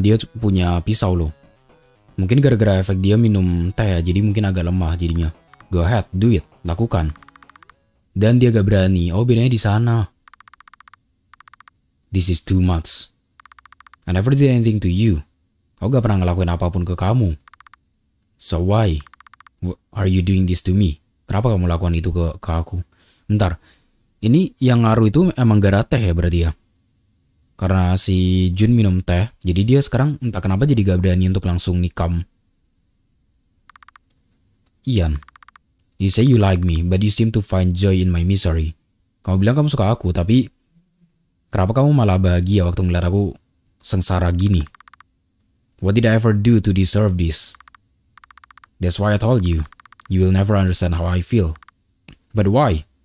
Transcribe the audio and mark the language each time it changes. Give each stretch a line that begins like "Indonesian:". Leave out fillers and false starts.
Indonesian: Dia punya pisau loh. Mungkin gara-gara efek dia minum teh ya. Jadi mungkin agak lemah jadinya.
English: Go ahead, do it.
Indonesian: Lakukan. Dan dia gak berani. Oh, bedanya di sana.
English: This is too much. I never did anything to you.
Indonesian: Aku gak pernah ngelakuin apapun ke kamu.
English: So why are you doing this to me?
Indonesian: Kenapa kamu lakukan itu ke aku? Bentar. Ini yang ngaruh itu emang gara teh ya berarti ya. Karena si Jun minum teh. Jadi dia sekarang entah kenapa jadi gak berani untuk langsung nikam. Ian.
English: You say you like me, but you seem to find joy in my misery.
Indonesian: Kamu bilang kamu suka aku, tapi kenapa kamu malah bahagia waktu ngeliat aku sengsara gini.
English: What did I ever do to deserve this? That's why I told you. You will never understand how I feel. But why?